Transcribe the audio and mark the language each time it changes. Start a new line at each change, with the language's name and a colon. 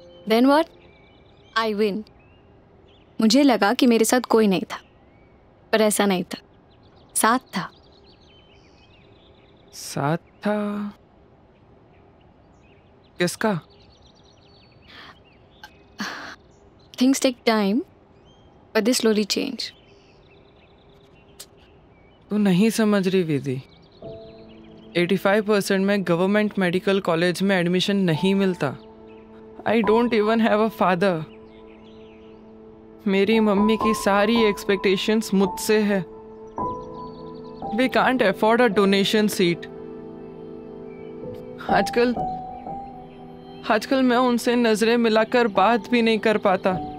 English: Then what? I win.
Hindi: मुझे लगा कि मेरे साथ कोई नहीं था, पर ऐसा नहीं था, साथ था। साथ था? किसका?
English: Things take time, but they slowly change.
Hindi: तू नहीं समझ रही विधि। 85% में गवर्नमेंट मेडिकल कॉलेज में एडमिशन नहीं मिलता।
English: I don't even have a father.
Hindi: मेरी मम्मी की सारी expectations मुझसे है।
English: We can't afford a donation seat.
Hindi: आजकल मैं उनसे नजरें मिलाकर बात भी नहीं कर पाता।